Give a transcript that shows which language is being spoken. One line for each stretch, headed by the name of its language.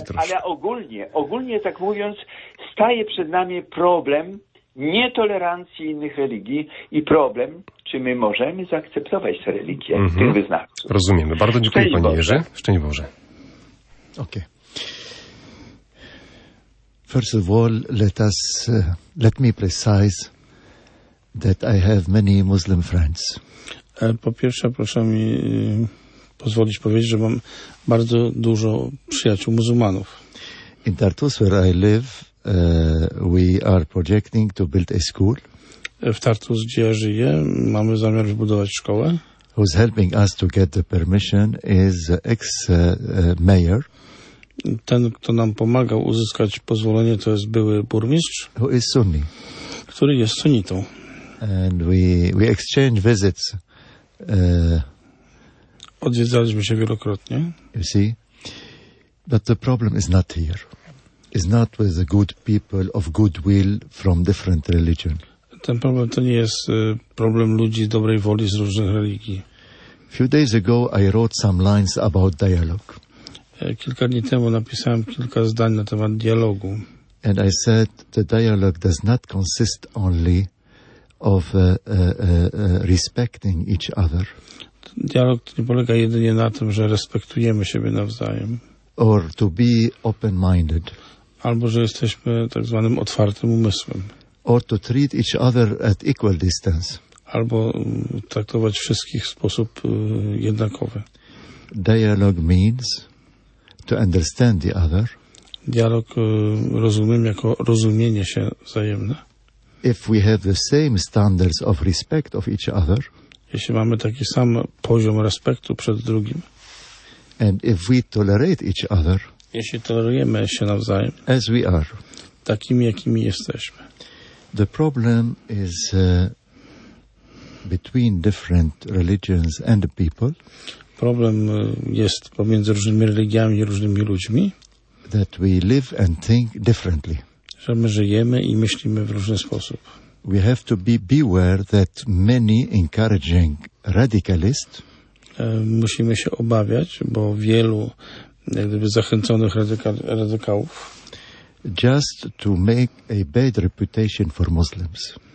Polish: Ale ogólnie tak mówiąc, staje przed nami problem nietolerancji innych religii i problem, czy my możemy zaakceptować te religie, tych wyznawców. Rozumiemy. Bardzo dziękuję, panie Jerzy. Szczęść Boże.
English: Okay. First of all, let me precise that I have many Muslim friends.
Polish: Po pierwsze, proszę mi pozwolić powiedzieć, że mam bardzo dużo przyjaciół muzułmanów.
English: In Tartus, where I live, we are projecting to build a school.
Polish: W Tartus, gdzie ja żyję, mamy zamiar wybudować szkołę.
English: Who's helping us to get the permission is the ex-mayor.
Polish: Ten, kto nam pomagał uzyskać pozwolenie, to jest były burmistrz.
English: Who is Sunni.
Polish: Który jest sunnitą.
English: And we exchange visits.
Polish: Odwiedzaliśmy się wielokrotnie.
English: You see? But the problem is not here. Is not with the good people of goodwill from different religion.
Polish: Ten problem to nie jest problem ludzi dobrej woli z różnych religii.
English: Few days ago I wrote some lines about dialogue.
Polish: Kilka dni temu napisałem kilka zdań na temat dialogu.
English: And I said the dialogue does not consist only of respecting each other.
Polish: Dialog to nie polega jedynie na tym, że respektujemy siebie nawzajem.
English: Or to be open-minded.
Polish: Albo że jesteśmy tak zwanym otwartym umysłem.
English: Or to treat each other at equal distance.
Polish: Albo traktować wszystkich w sposób jednakowy.
English: Dialogue means to understand the other.
Polish: Dialog rozumiem jako rozumienie się wzajemne.
English: If we have the same standards of respect of each other.
Polish: Jeśli mamy taki sam poziom respektu przed drugim.
English: And if we tolerate each other.
Polish: Jeśli tolerujemy się nawzajem,
English: as we are,
Polish: takimi, jakimi jesteśmy.
English: The problem is between different religions and people.
Polish: Problem jest pomiędzy różnymi religiami i różnymi ludźmi.
English: That we live and think differently.
Polish: Że my żyjemy i myślimy w różny sposób.
English: We have to be beware that many encouraging radicalists.
Polish: Musimy się obawiać, bo wielu gdyby zachęconych radykałów.
English: Just to make a bad reputation for Muslims.